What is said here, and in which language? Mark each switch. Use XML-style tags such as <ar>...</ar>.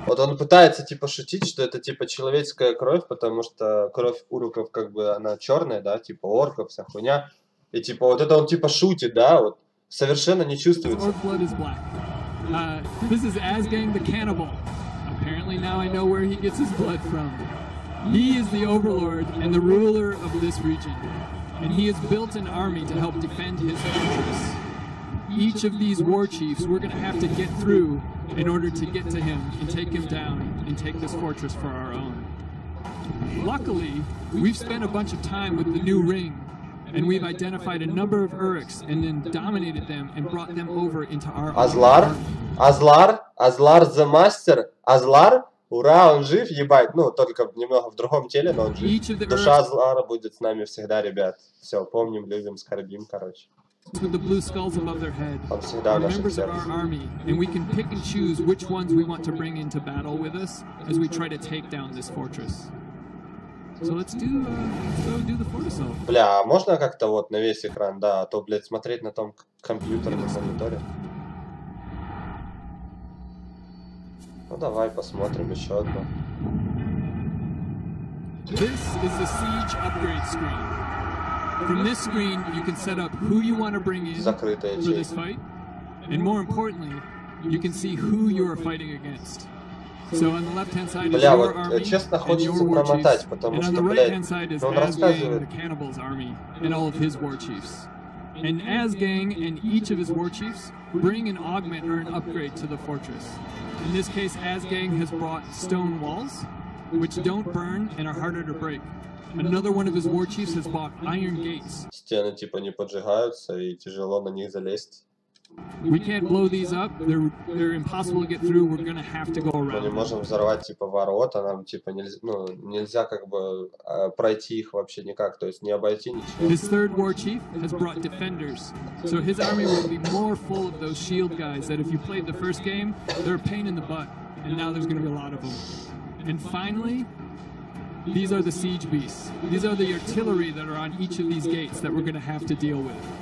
<ru>Вот он пытается типа шутить, что это типа человеческая кровь, потому что кровь уроков как бы она черная, да, типа орков, вся хуйня. И типа вот это он типа шутит, да, вот совершенно не чувствуется.</ru> <en>Our blood is black. This is Asgang the cannibal. Apparently now I know where he gets his blood from. He is the overlord and the ruler of this region, and he has built an army to help defend his fortress. Each of these war chiefs we're going to have to get through in order to get to him and take him down and take this fortress for our own. Luckily, we've spent a bunch of time with the new ring, and we've identified a number of Uruks and then dominated them and brought them over into our army. Azlar? Azlar? Azlar the master? Azlar?</en> <ru>Ура, он жив, ебать. Ну, только немного в другом теле, но он жив. Душа Азлара будет с нами всегда, ребят. Все, помним, любим, скорбим, короче.</ru> <en>To the blue skulls above their head, members of our army, and we can pick and choose which ones we want to bring into battle with us as we try to take down this fortress. So let's go do the fortress elf.</en> <ru>Бля, а можно как-то вот на весь экран, да, а то, блядь, смотреть на том компьютере на мониторе. Ну давай посмотрим еще одно.</ru> <en>This is the siege upgrade screen. From this screen, you can set up who you want to bring in for this fight. And more importantly, you can see who you are fighting against. So on the left-hand side is your army and your war chiefs. And on the right-hand side is Azgang, the cannibal's army, and all of his war chiefs. And Azgang and each of his war chiefs bring an augment or an upgrade to the fortress. In this case, Azgang has brought stone walls, which don't burn and are harder to break. Another one of his war chiefs has bought iron gates.</en> <ru>Стены типа не поджигаются и тяжело на них залезть.</ru> <en>We can't blow these up. They're impossible to get through. We're gonna have to go around.</en> <ru>Мы не можем взорвать типа ворота, нам типа нельзя, ну, нельзя как бы пройти их вообще никак, то есть не обойти ничего.</ru> <en>His third war chief has brought defenders. So his army will be more full of those shield guys that if you played the first game, they're a pain in the butt, and now there's gonna be a lot of them. And finally, these are the siege beasts. These are the artillery that are on each of these gates that we're going to have to deal with.</en>